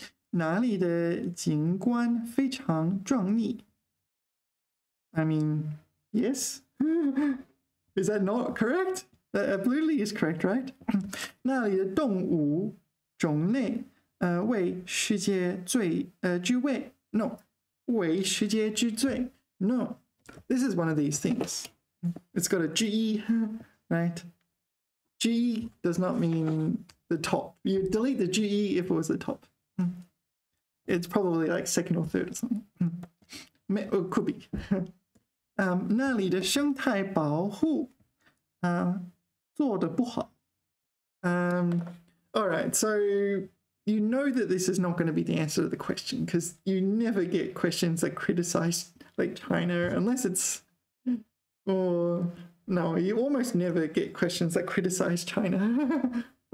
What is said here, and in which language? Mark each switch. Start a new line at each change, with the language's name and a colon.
Chinese: 哪里的景观非常壮丽？
English: I mean, yes. Is that not correct? That absolutely is correct, right?
Chinese: 那里的动物种类为世界最之位
English: no
Chinese: 为世界之最
English: no this is one of these things it's got a G right G does not mean the top. You delete the G if it was the top. It's probably like second or third or something. Could be.
Chinese: 那里的生态保护 做得不好.
English: Alright, so you know that this is not going to be the answer to the question, because you never get questions that criticize like China, unless it's... Or, no, you almost never get questions that criticize China.